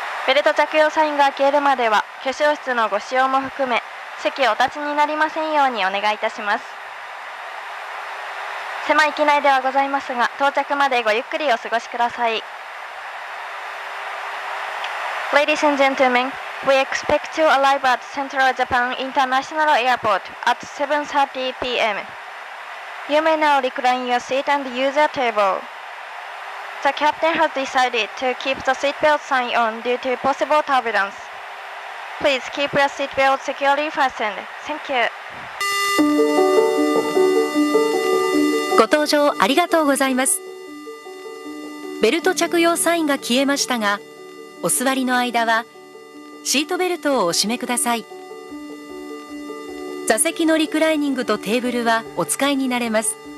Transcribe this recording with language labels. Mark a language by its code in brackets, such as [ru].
[ja] ベルト着用サインが消えるまでは、化粧室のご使用も含め、席をお立ちになりませんようにお願いいたします。狭い機内ではございますが、到着までごゆっくりお過ごしください。 [en] Ladies and gentlemen, we expect to arrive at Central Japan International Airport at 7:30 p.m. You may now recline your seat and use a table. The captain has decided to keep the seatbelt sign on due to possible turbulence. Please keep your seatbelt securely fastened. Thank you. [ja] ご搭乗ありがとうございます。ベルト着用サインが消えましたが、お座りの間はシートベルトをお締めください。座席のリクライニングとテーブルはお使いになれます。